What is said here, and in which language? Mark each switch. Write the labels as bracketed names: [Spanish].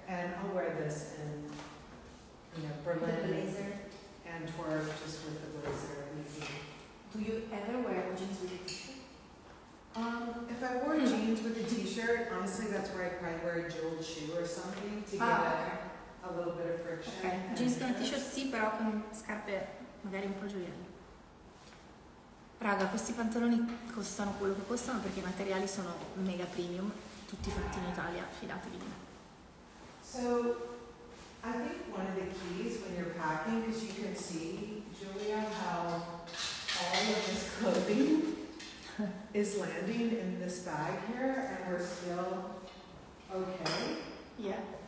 [English] And I'll wear this in, you know, Berlin. The blazer. Antwerp, just with the blazer, maybe. Do you ever wear jeans with a t-shirt? If I wore jeans with a t-shirt, honestly, that's where I'd probably wear a jeweled shoe or something to get a little bit of friction. Okay. [Italian] Jeans con t-shirt, sì, però con scarpe magari un po' gioielli. Raga, questi pantaloni costano quello che costano perché i materiali sono mega premium, tutti fatti in Italia, fidatevi. [English] So, I think one of the keys when you're packing is you can see, Julia, how all of this clothing is landing in this bag here and we're still okay. Yeah.